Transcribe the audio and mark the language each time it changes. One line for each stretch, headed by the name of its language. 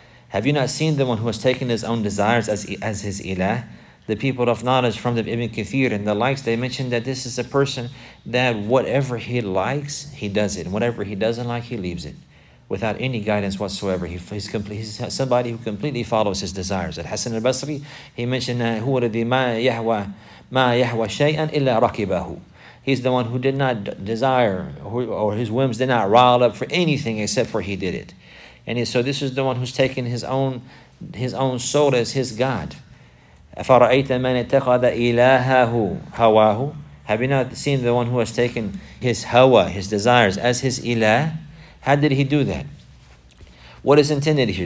English: Have you not seen the one who has taken his own desires as his ilah? The people of knowledge from the Ibn Kathir and the likes, they mentioned that this is a person that whatever he likes, he does it. And whatever he doesn't like, he leaves it. Without any guidance whatsoever. He's somebody who completely follows his desires. At Hassan al-Basri, he mentioned that
Arabic: هو الذي ما يهوى شيئا إلا ركبه.
English: He's the one who did not desire, or his whims did not rile up for anything except for he did it. And so this is the one who's taken his own soul as his God.
Arabic: أَفَرَأَيْتَ مَنِ اتَّخَذَ إِلَاهَهُ هَوَاهُ.
English: Have you not seen the one who has taken his hawa, his desires, as his ilah? How did he do that? What is intended here?